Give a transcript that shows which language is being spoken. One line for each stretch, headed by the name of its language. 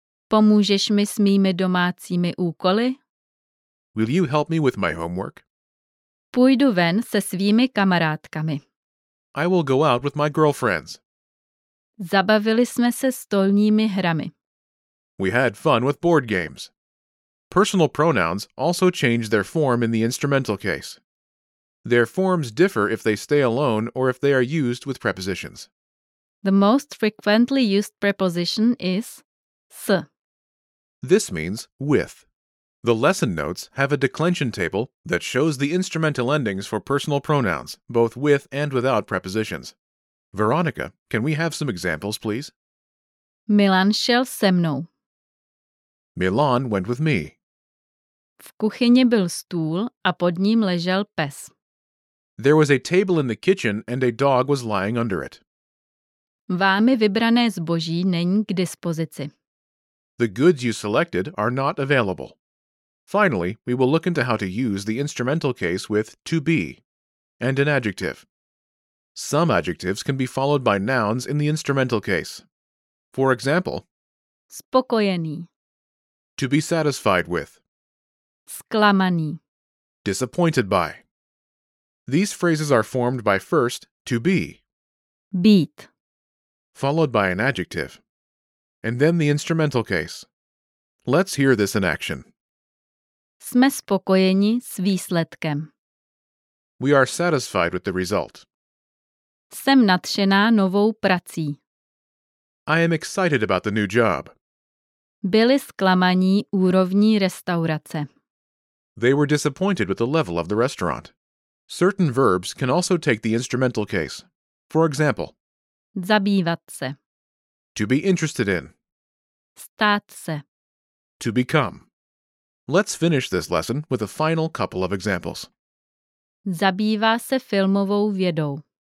Czech: Pomůžeš mi s mými domácími úkoly?
English: Will you help me with my homework?
Czech: Půjdu ven se svými kamarádkami.
English: I will go out with my girlfriends.
Czech: Zabavili jsme se stolními hrami.
English: We had fun with board games. Personal pronouns also change their form in the instrumental case. Their forms differ if they stay alone or if they are used with prepositions. The most frequently used preposition is s. This means with. The lesson notes have a declension table that shows the instrumental endings for personal pronouns, both with and without prepositions. Veronica, can we have some examples, please?
Czech: Milan šel se mnou.
English: Milan went with me.
Czech: V kuchyni byl stůl a pod ním ležel pes.
English: There was a table in the kitchen and a dog was lying under it.
Czech: Vámi vybrané zboží není k dispozici.
English: The goods you selected are not available. Finally, we will look into how to use the instrumental case with to be and an adjective. Some adjectives can be followed by nouns in the instrumental case. For example,
Czech: spokojený,
English: to be satisfied with,
Czech: zklamaný,
English: disappointed by. These phrases are formed by first to be,
Czech: být,
English: followed by an adjective, and then the instrumental case. Let's hear this in action.
Czech: Jsme spokojeni s výsledkem.
English: We are satisfied with the result.
Czech: Jsem nadšená novou prací.
English: I am excited about the new job.
Czech: Byli zklamaní úrovní restaurace.
English: They were disappointed with the level of the restaurant. Certain verbs can also take the instrumental case. For example,
Czech: zabývat se.
English: To be interested in.
Czech: Stát se.
English: To become. Let's finish this lesson with a final couple of examples.
Czech: Zabývá se filmovou vědou.